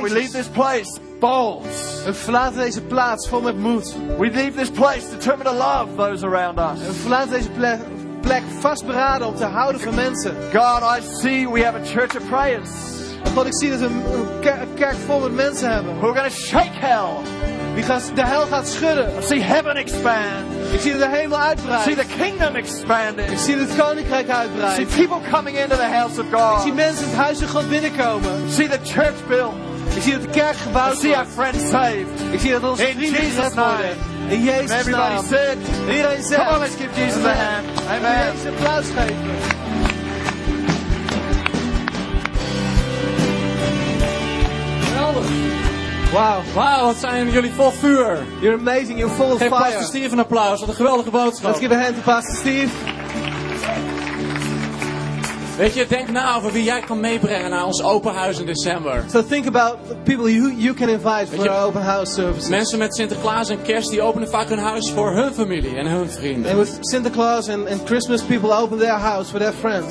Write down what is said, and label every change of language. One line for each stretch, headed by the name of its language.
English: God, we leave this place bold.
Dutch: We verlaten deze plaats vol met moed.
English: We leave this place determined to love those around us.
Dutch: We verlaten deze plek vastberaden om te houden van mensen.
English: God, I see we have a church of prayers.
Dutch: God, ik zie dat we een kerk vol met mensen hebben.
English: We're gonna shake hell.
Dutch: De hel gaat schudden.
English: I see heaven expand.
Dutch: Ik zie dat de hemel uitbreidt.
English: I see the kingdom expanding.
Dutch: Ik zie het koninkrijk uitbreiden.
English: I see people coming into the house of God.
Dutch: Ik zie mensen het huis van God binnenkomen.
English: I see the church built.
Dutch: Ik zie dat de kerk gebouwd wordt.
English: I see our friends saved.
Dutch: Ik zie dat onze vrienden gered worden. In Jezus' naam.
English: Everybody said.
Dutch: Iedereen zegt.
English: Come on, let's give Jesus a hand. Amen.
Dutch: Een applaus geven. Geweldig. Wow. Wow, wat zijn jullie vol vuur.
English: You're amazing, you're full of fire.
Dutch: Geef Pastor Steve een applaus, wat een geweldige boodschap.
English: Let's give a hand to Pastor Steve.
Dutch: Weet je, denk na over wie jij kan meebrengen naar ons open huis in december.
English: So think about people you, you can invite for our open house services.
Dutch: Mensen met Sinterklaas en Kerst die openen vaak hun huis voor hun familie en hun vrienden.
English: And with Sinterklaas and Christmas, people open their house for their friends.